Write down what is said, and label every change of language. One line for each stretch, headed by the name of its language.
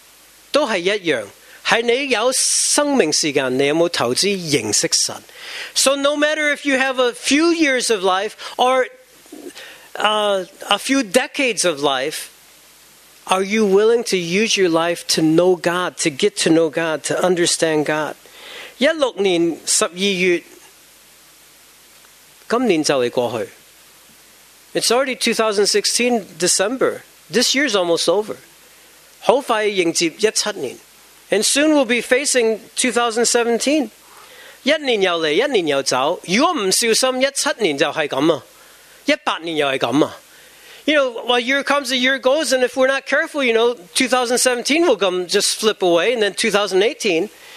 Chinese: 无论你的生命有几年,或者几十年,都是一样。在你有生命时间,你有没有投资认识神?
English: So no matter if you have a few years of life or a few decades of life, are you willing to use your life to know God, to get to know God, to understand God?
Chinese: 16年12月, 今年就会过去。
English: It's already 2016, December. This year's almost over.
Chinese: 很快迎接17年。
English: And soon we'll be facing 2017.
Chinese: 一年又来,一年又走, 如果不小心,17年就是这样, 18年又是这样。
English: You know, well, year comes, a year goes, and if we're not careful, you know, 2017 will come, just flip away, and then 2018.